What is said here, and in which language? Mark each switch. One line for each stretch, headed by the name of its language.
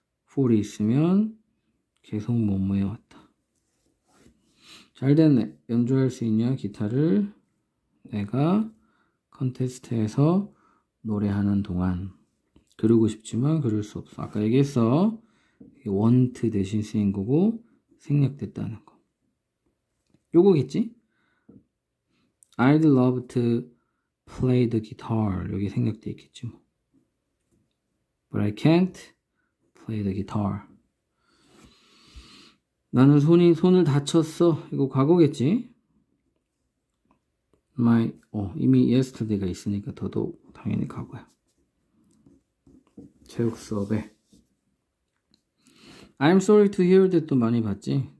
Korean: for 있으면 계속 뭐뭐 해왔다. 잘 됐네. 연주할 수 있냐? 기타를 내가 컨테스트에서 노래하는 동안. 그러고 싶지만 그럴 수 없어. 아까 얘기했어. 원트 대신 쓰인 거고 생략됐다는 거. 요거겠지?
English: I'd love to play the guitar.
Korean: 여기 생략돼 있겠지 뭐.
English: But I can't play the guitar.
Korean: 나는 손을 다쳤어. 이거 과거겠지? My, 이미 yesterday가 있으니까 더더욱 당연히 과거야. 체육 수업에.
English: I'm sorry to hear that
Korean: 또 많이 봤지?